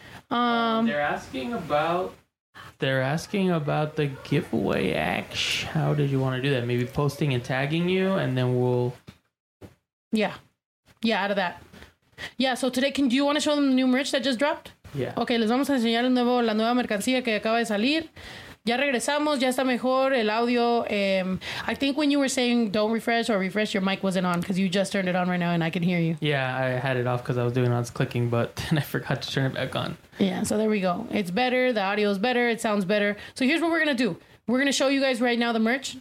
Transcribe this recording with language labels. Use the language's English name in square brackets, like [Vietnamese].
[English] They're asking about the giveaway. How did you want to do that? Maybe posting and tagging you, and then we'll. Yeah, out of that. Yeah. So today, do you want to show them the new merch that just dropped? Yeah. Okay. [Spanish] Les vamos a enseñar la nueva mercancía que acaba de salir. Ya regresamos. Ya está mejor el audio. [English] I think when you were saying don't refresh or refresh, your mic wasn't on because you just turned it on right now and I can hear you. Yeah, I had it off because I was doing all this clicking, but then I forgot to turn it back on. Yeah, so there we go. It's better. The audio is better. It sounds better. So here's what we're going to do. We're going to show you guys right now the merch.